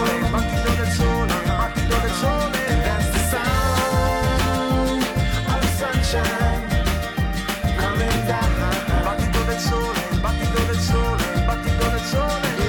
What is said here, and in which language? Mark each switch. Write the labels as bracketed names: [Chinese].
[Italian] Battito del sole, battito del sole. [English] That's the sound of sunshine coming down. [Italian] Battito del sole, battito del sole, battito del sole.